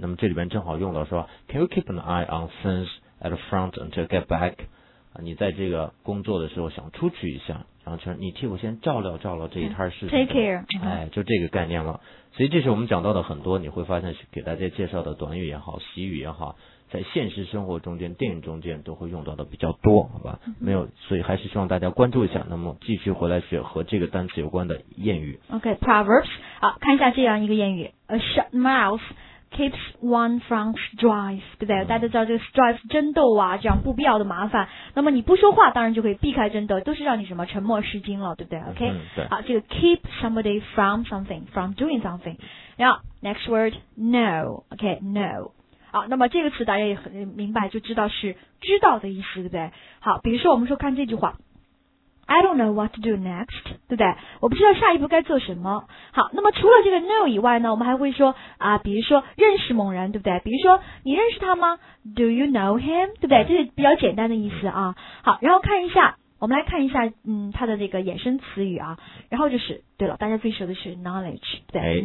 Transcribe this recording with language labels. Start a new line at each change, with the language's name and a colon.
Chinese: 那么这里边正好用到说
English: can you keep an eye on things at the front until get back？
Chinese: 你在这个工作的时候想出去一下，然后就是你替我先照料这一摊事情。
English: Take care。
Chinese: 哎，就这个概念了。所以这是我们讲到的很多，你会发现给大家介绍的短语也好，习语也好，在现实生活中间、电影中间都会用到的比较多，好吧？没有，所以还是希望大家关注一下。那么继续回来学和这个单词有关的谚语。 OK, proverbs。好，看一下这样一个谚语 ：
English: A shut mouth keeps one from strife，
Chinese: 对不对？大家知道这个 strife 争斗啊，这样不必要的麻烦。那么你不说话，当然就可以避开争斗，都是让你什么沉默是金了，对不对 ？OK，、嗯、对
English: 啊，这个 keep somebody from something， from doing something。然后 next word no， OK no。
Chinese: 好，那么这个词大家也很明白，就知道是知道的意思，对不对？好，比如说我们说看这句话。
English: I don't know what to do next，
Chinese: 对不对？我不知道下一步该做什么。好，那么除了这个 know 以外呢，我们还会说啊，比如说认识某人，对不对？比如说你认识他吗 ？
English: Do you know him？
Chinese: 对不对？这是比较简单的意思啊。好，然后看一下，我们来看一下，嗯，它的这个衍生词语啊。然后就是，对了，大家最熟的是 knowledge， 对不对、